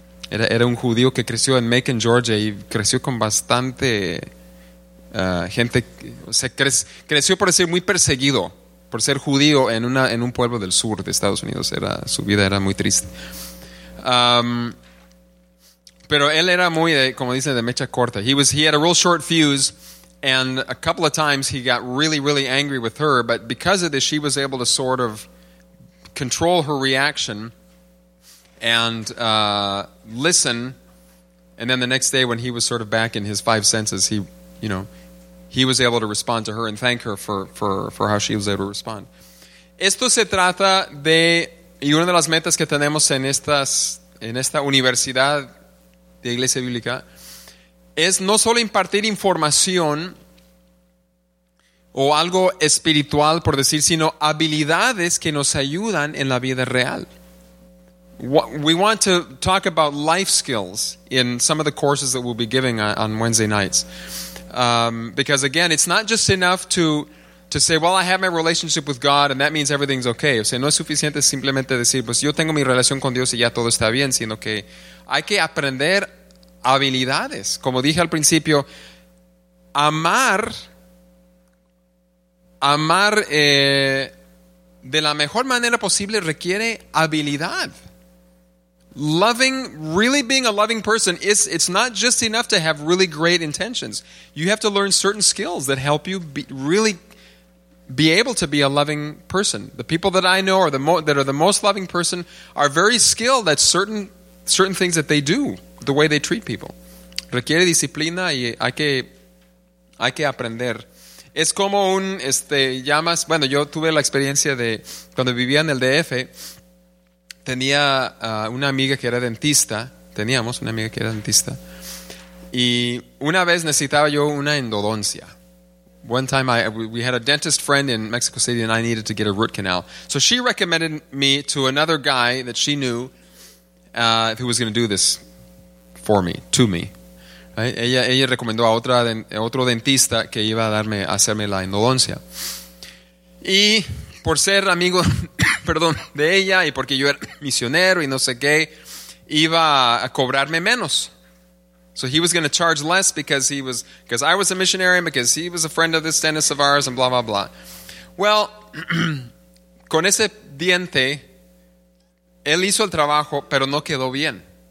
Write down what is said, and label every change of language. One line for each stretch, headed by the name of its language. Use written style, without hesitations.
Spanish: Era un judío que creció en Macon, Georgia, y creció con bastante gente, o sea, creció por ser muy perseguido, por ser judío en un pueblo del sur de Estados Unidos. Era, su vida era muy triste. Pero él era muy, como dicen, de mecha corta.
English: He had a real short fuse, and a couple of times he got really, really angry with her, but because of this, she was able to sort of control her reaction and listen, and then the next day when he was sort of back in his five senses, he, you know, he was able to respond to her and thank her for how she was able to respond.
Spanish: Esto se trata de, y una de las metas que tenemos en esta universidad de Iglesia Bíblica, es no solo impartir información o algo espiritual, por decir, sino habilidades que nos ayudan en la vida real.
English: We want to talk about life skills in some of the courses that we'll be giving on Wednesday nights. Because again, it's not just enough to say, well, I have my relationship with God and that means everything's okay.
Spanish: O sea, no es suficiente simplemente decir, pues yo tengo mi relación con Dios y ya todo está bien, sino que hay que aprender habilidades. Como dije al principio, amar de la mejor manera posible requiere habilidad.
English: Loving, really being a loving person, it's not just enough to have really great intentions. You have to learn certain skills that help you be able to be a loving person. The people that I know are the most loving person are very skilled at certain things that they do, the way they treat people.
Spanish: Requiere disciplina y hay que aprender. Es como un, llamas, bueno, yo tuve la experiencia de cuando vivía en el DF. Tenía una amiga que era dentista, teníamos una amiga que era dentista, y una vez necesitaba yo una endodoncia.
English: One time we had a dentist friend in Mexico City and I needed to get a root canal. So she recommended me to another guy that she knew who was going to do this for me, to me.
Spanish: Ella recomendó a otro dentista que iba a hacerme la endodoncia. Y por ser amigo, perdón, de ella, y porque yo era misionero y no sé qué, iba a cobrarme menos.
English: So he was going to charge less because I was a missionary and because he was a friend of this dentist of ours and blah, blah, blah.
Spanish: Well, con ese diente, él hizo el trabajo, pero no quedó bien.